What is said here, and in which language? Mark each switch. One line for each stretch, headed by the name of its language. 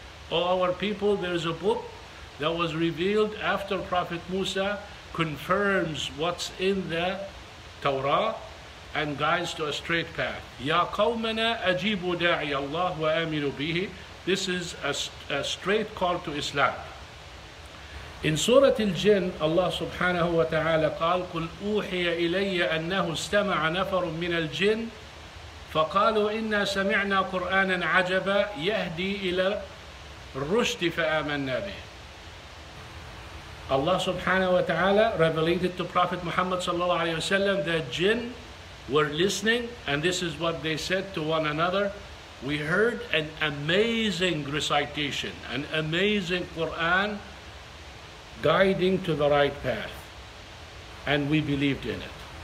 English: Oh, our people, there is a book that was revealed after Prophet Musa, confirms what's in the Torah and guides to a straight path.
Arabic: يا قومنا اجيبوا داعي الله وامنوا به.
English: This is a straight call to Islam. In Surah Al-Jinn, Allah subhanahu wa ta'ala
Arabic: قال قل أوحي إلي أنه استمع نفر من الجن فقالوا إنا سمعنا قرآنا عجبا يهدي إلى الرشد فآمنا به.
English: Allah subhanahu wa ta'ala revealed to Prophet Muhammad sallallahu alayhi wa sallam that jinn were listening, and this is what they said to one another: we heard an amazing recitation, an amazing Quran guiding to the right path, and we believed in it.